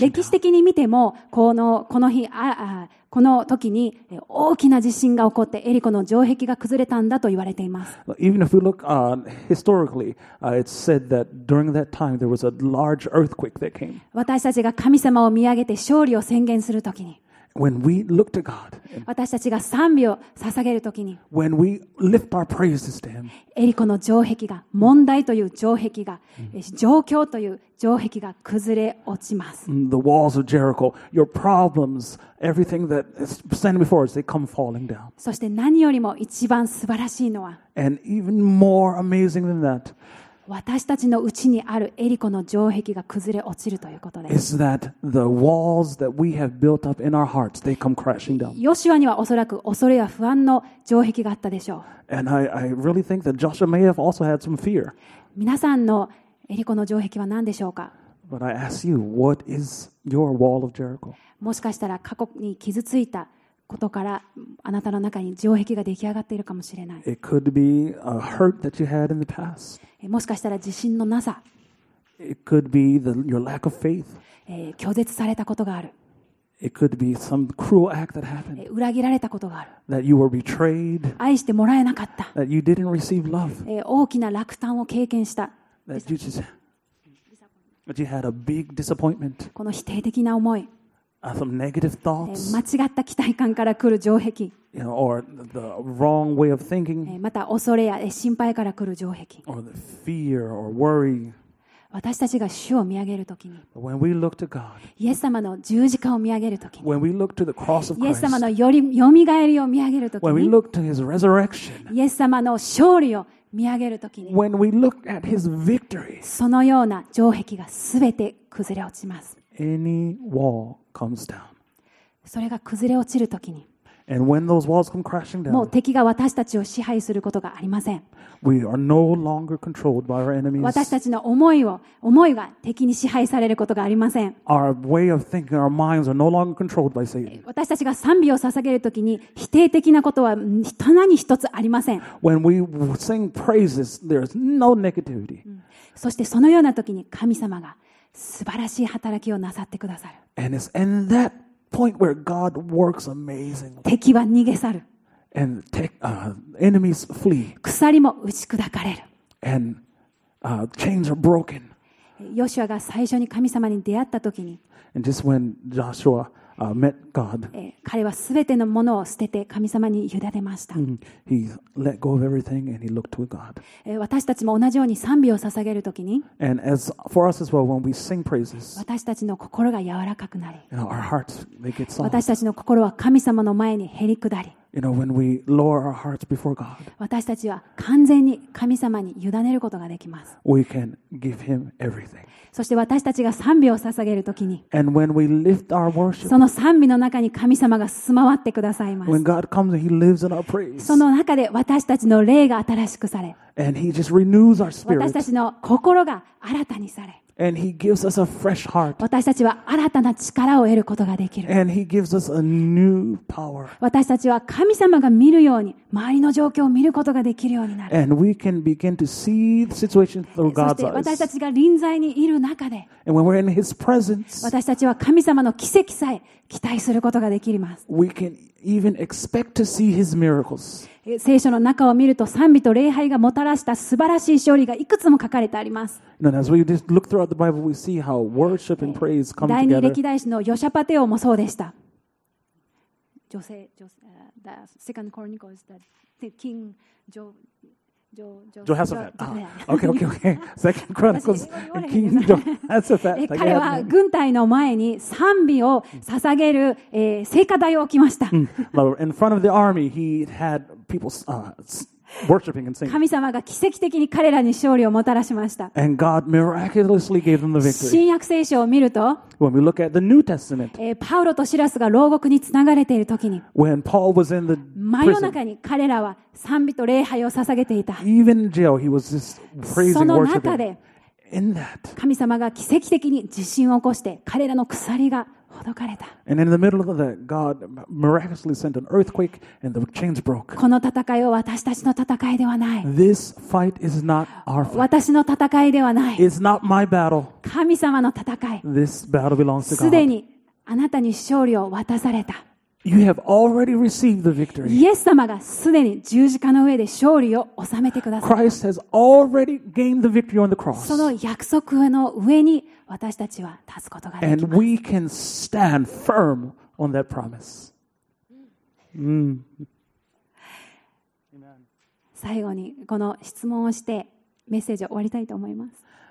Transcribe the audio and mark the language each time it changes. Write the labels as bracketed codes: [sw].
[ja] 歴史的に見てもこの日この時に大きな地震が起こってエリコの城壁が崩れたんだと言われています。 [en] Even if we look historically, it's said that during that time there was a large earthquake that came. [ja] 私たちが神様を見上げて勝利を宣言する時に。 [en] When we look to God, [ja] 私たちが賛美を捧げるときに、 [en] When we lift our praises to him, [ja] エリコの城壁が、問題という城壁が、状況という城壁が崩れ落ちます。 [en] The walls of Jericho, your problems, everything that is standing before us, they come falling down. [ja] そして何よりも一番素晴らしいのは、 [en] And even more amazing than that, [ja] 私たちのうちにあるエリコの城壁が崩れ落ちるということです。 [en] Is that the walls that we have built up in our hearts, they come crashing down? [ja] ヨシュアにはおそらく恐れや不安の城壁があったでしょう。 [en] And I really think that Joshua may have also had some fear. [ja] 皆さんのエリコの城壁は何でしょうか? [en] But I ask you, what is your wall of Jericho? [ja] もしかしたら過去に傷ついたことからあなたの中に城壁が出来上がっているかもしれない。 [en] It could be a hurt that you had in the past. [ja] もしかしたら自信のなさ。 [en] It could be your lack of faith. [ja] 拒絶されたことがある。 [en] It could be some cruel act that happened. [ja] 裏切られたことがある。 [en] That you were betrayed. [ja] 愛してもらえなかった。 [en] That you didn't receive love. [ja] 大きな落胆を経験した。 [en] That you had a big disappointment. [ja] この否定的な思い。 [en] Some negative thoughts. [ja] 間違った期待感から来る城壁。 [en] You know, or the wrong way of thinking. [ja] また恐れや心配から来る城壁。 [en] Or the fear or worry. [ja] 私たちが主を見上げるときに。 [en] When we look to God. [ja] イエス様の十字架を見上げるときに。 [en] When we look to the cross of Christ. [ja] イエス様のよみがえりを見上げるときに。 [en] When we look to His resurrection. [ja] イエス様の勝利を見上げるときに。 [en] When we look at His victory. [ja] そのような城壁がすべて崩れ落ちます。 [en] Any wall comes down. [ja] それが崩れ落ちるときに。 [en] And when those walls come crashing down, [ja] もう敵が私たちを支配することがありません。 [en] We are no longer controlled by our enemies. [ja] 私たちの思いが敵に支配されることがありません。 [en] Our way of thinking, our minds are no longer controlled by Satan. [ja] 私たちが賛美を捧げるときに否定的なことは何一つありません。 [en] When we sing praises, there is no negativity. [ja] そしてそのようなときに神様が素晴らしい働きをなさってくださる。 [en] And it's in that point where God works amazingly. [ja] 敵は逃げ去る。 [en] And enemies flee. [ja] 鎖も打ち砕かれる。 [en] And chains are broken. [ja] ヨシュアが最初に神様に出会った時に、 [en] And just when Joshua met God, [ja] 彼はすべてのものを捨てて神様に委ねました。 [en] He let go of everything and he looked to God. [ja] 私たちも同じように賛美を捧げるときに、 [en] And as for us as well, when we sing praises, [ja] 私たちの心が柔らかくなり、 [en] You know, our hearts, they get soft. [ja] 私たちの心は神様の前にへり下り、 [en] You know, when we lower our hearts before God, [ja] 私たちは完全に神様に委ねることができます。 [en] We can give him everything. [ja] そして私たちが賛美を捧げるときに、 [en] And when we lift our worship, [ja] その賛美の中に神様が住まわってくださいます。 [en] When God comes, he lives in our praise. [ja] その中で私たちの霊が新しくされ、 [en] And he just renews our spirit. [ja] 私たちの心が新たにされ、 [en] And he gives us a fresh heart. [ja] 私たちは新たな力を得ることができる。 [en] And he gives us a new power. [ja] 私たちは神様が見るように周りの状況を見ることができるようになる。 [en] And we can begin to see the situation through God's eyes. [ja] そして私たちが臨在にいる中で、 [en] And when we're in his presence, [ja] 私たちは神様の奇跡さえ期待することができます。 [en] We can even expect to see his miracles. [ja] 聖書の中を見ると賛美と礼拝がもたらした素晴らしい勝利がいくつも書かれてあります。 [en] And as we just look throughout the Bible, we see how worship and praise come together. [ja] 第二歴代史のヨシャパテオもそうでした。 [en] The second Chronicles, the king, Jehoshaphat. Okay. Second Chronicles, King Jehoshaphat. [ja] 彼は軍隊の前に賛美を捧げる聖歌台を置きました。 [en] In front of the army, he had people. Worshiping and singing. [ja] 神様が奇跡的に彼らに勝利をもたらしました。 [en] And God miraculously gave them the victory. [ja] 新約聖書を見ると、 [en] When we look at the New Testament, [ja] パウロとシラスが牢獄につながれているときに、 [en] When Paul was in the prison, [ja] 真夜中に彼らは賛美と礼拝を捧げていた。 [en] Even in jail, he was just praising worshiping. [ja] その中で、 [en] In that, [ja] 神様が奇跡的に地震を起こして彼らの鎖がほどかれた。 [en] And in the middle of that, God miraculously sent an earthquake and the chains broke. [ja] この戦いは私たちの戦いではない。 [en] This fight is not our fight. [ja] 私の戦いではない。 [en] It's not my battle. [ja] 神様の戦い。 [en] This battle belongs to God. [ja] すでにあなたに勝利を渡された。 [en] You have already received the victory. [ja] イエス様がすでに十字架の上で勝利を収めてくださった。 [en] Christ has already gained the victory on the cross. [ja] その約束の上に私たちは立つことができます。 [en] And we can stand firm on that promise. Mm. [ja] 最後にこの質問をしてメッセージを終わりたいと思います。